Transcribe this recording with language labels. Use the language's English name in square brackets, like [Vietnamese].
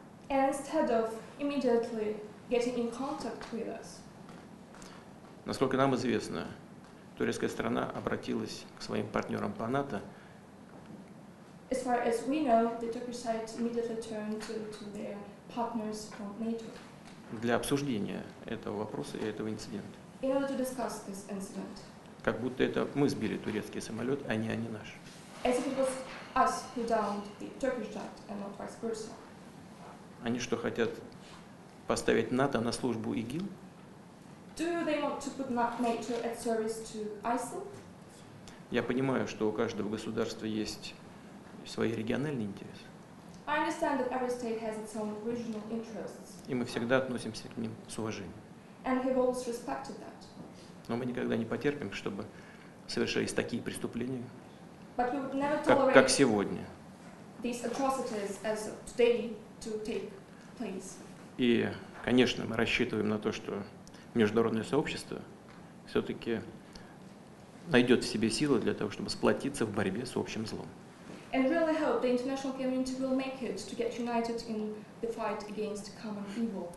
[English] and instead of immediately getting in contact with us, [Russian] насколько нам известно, турецкая страна обратилась к своим партнерам по НАТО. [English] As far as we know, the Turkish side immediately turned to their partners from NATO. [Russian] Для обсуждения этого вопроса и этого инцидента. [English] In order to discuss this incident. [Russian] Как будто это мы сбили турецкий самолет, а не они наш. [English] As if it was us who downed the Turkish jet and not vice versa. [Russian] Они что, хотят поставить НАТО на службу ИГИЛ? [English] Do they want to put NATO at service to ISIL? [Russian] Я понимаю, что у каждого государства есть свои региональные интересы. [English] I understand that every state has its own regional interests. [Russian] И мы всегда относимся к ним с уважением. [English] And we've always respected that. [Russian] Но мы никогда не потерпим, чтобы совершались такие преступления, [English] but we would never tolerate [Russian] как сегодня. [English] These atrocities as of today to take place. [Russian] И, конечно, мы рассчитываем на то, что международное сообщество все-таки найдет в себе силы для того, чтобы сплотиться в борьбе с общим злом. [English] And really hope the international community will make it to get united in the fight against common evil.